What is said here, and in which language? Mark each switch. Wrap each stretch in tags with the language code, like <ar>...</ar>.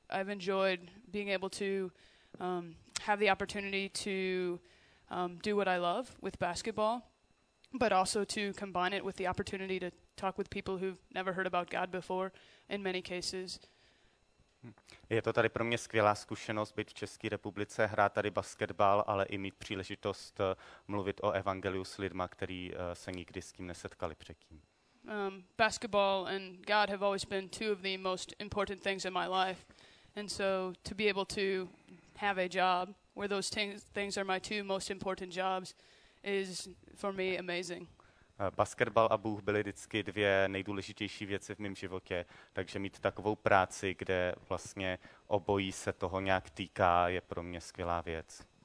<en>I've enjoyed being able to have the opportunity to do what I love with basketball, but also to combine it with the opportunity to talk with people who've never heard about God before in many cases.</en> <cs>Je to tady pro mě skvělá zkušenost být v České republice, hrát tady basketbal, ale i mít příležitost mluvit o evangeliu s lidma, který se nikdy s tím nesetkali předtím.</cs> <en>Basketball and God have always been two of the most important things in my life. And so to be able to have a job where those things are my two most important jobs is for me amazing.</en> <cs>Basketbal a Bůh byly vždycky dvě nejdůležitější věci v mém životě, takže mít takovou práci, kde vlastně obojí se toho nějak týká, je pro mě skvělá věc.</cs>